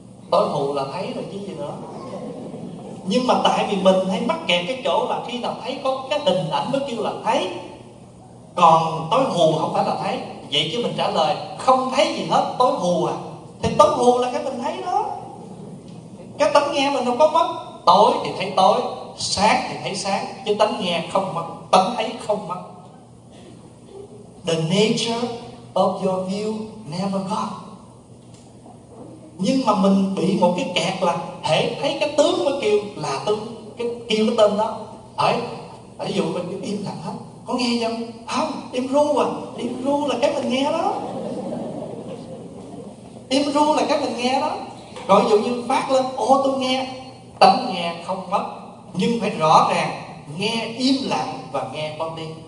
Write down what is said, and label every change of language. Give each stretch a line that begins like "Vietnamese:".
Vietnamese: Tối mù là thấy rồi chứ gì nữa. Nhưng mà tại vì mình hay mắc kẹt cái chỗ là khi nào thấy có cái tình ảnh mới kêu là thấy, còn tối hù không phải là thấy. Vậy chứ mình trả lời không thấy gì hết, tối hù à, thì tối hù là cái mình thấy đó. Cái tánh nghe mình đâu có mất, tối thì thấy tối, sáng thì thấy sáng, chứ tánh nghe không mất, tánh thấy không mất.
English: The nature of your view never gone.
Vietnamese: Nhưng mà mình bị một cái kẹt là hễ thấy cái tướng mới kêu là tướng, cái kêu cái tên đó. Ấy, ví dụ mình cứ im lặng hết, có nghe không? Không, im ru à, im ru là cái mình nghe đó. Im ru là cái mình nghe đó. Rồi ví dụ như phát lên, ô tôi nghe, tánh nghe không mất, nhưng phải rõ ràng, nghe im lặng và nghe con đi.